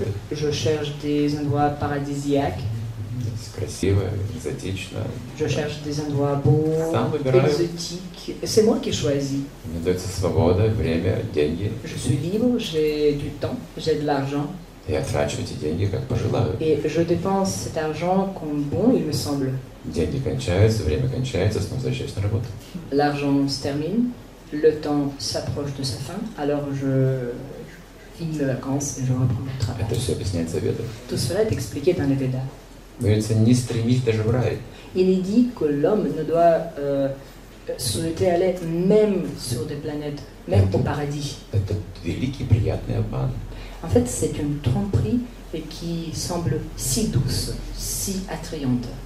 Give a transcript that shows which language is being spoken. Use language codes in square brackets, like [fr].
[fr] Je cherche des endroits paradisiaques. C'est [ru] красиво, [fr] exotique. Je cherche des endroits beaux, exotiques. C'est moi qui choisis. [ru] Мне дается свобода, время, деньги. [fr] Je suis libre, j'ai du temps, j'ai de l'argent. [ru] Я трачу эти деньги, как пожелаю. [fr] Et je dépense cet argent comme bon, il me semble. [ru] Деньги кончаются, время кончается, снова возвращаюсь на работу. [fr] L'argent se termine. Le temps s'approche de sa fin, alors je finis mes vacances et je reprends mon travail. [ru] Это все объясняется в Ведах. [fr] Tout cela est expliqué dans les Védas. [ru] Говорится, не стремись даже в рай. [fr] Il est dit que l'homme ne doit souhaiter aller même sur des planètes, même au paradis. [ru] Это великий приятный обман. [fr] En fait, c'est une tromperie et qui semble si douce, si attrayante.